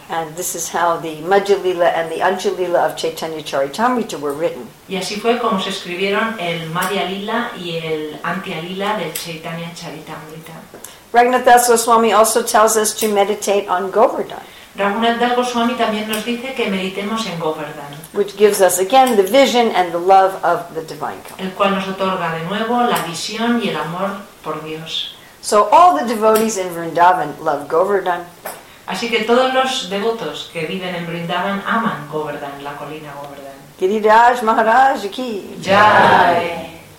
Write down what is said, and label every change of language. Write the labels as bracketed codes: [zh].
[en] And this is how the Majjalila and the Anjalila of Chaitanya Charitamrita were written. [es] Y así fue como se escribieron el Madhya Lila y el Antya Lila del Chaitanya Charitamrita. [en] Raghunath Das Goswami also tells us to meditate on Govardhan. [es] Raghunath Das Goswami también nos dice que meditemos en Govardhan, [en] which gives us again the vision and the love of the divine company. [es] El cual nos otorga de nuevo la visión y el amor por Dios. [en] So all the devotees in Vrindavan love Govardhan. [es] Así que todos los devotos que viven en Vrindavan aman Govardhan, la colina Govardhan. [hi] Giriraj Maharaj ki jai.